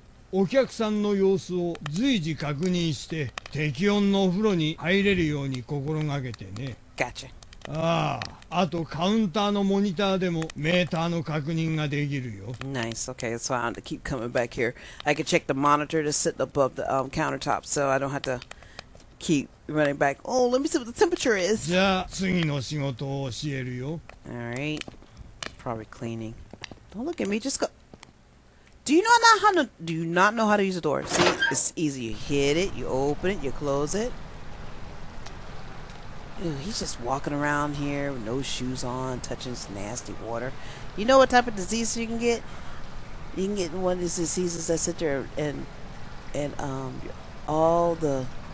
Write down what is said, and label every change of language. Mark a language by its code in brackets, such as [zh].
[ja] お客さんの様子を随時確認して、適温のお風呂に入れるように心がけてね。 [en] Gotcha. [ja] ああ、あとカウンターのモニターでもメーターの確認ができるよ。 [en] Nice, okay, so I have to keep coming back here. I can check the monitor to sit above the countertop, so I don't have to... Keep running back. Oh, let me see what the temperature is. [ja] じゃあ、次の仕事を教えるよ。 [en] Alright. Probably cleaning. Don't look at me, just go. Do you not know how to use a door? See, it's easy. You hit it, you open it, you close it. Ew, he's just walking around here with no shoes on, touching this nasty water. You know what type of disease you can get? You can get one of these diseases that sit there and all the...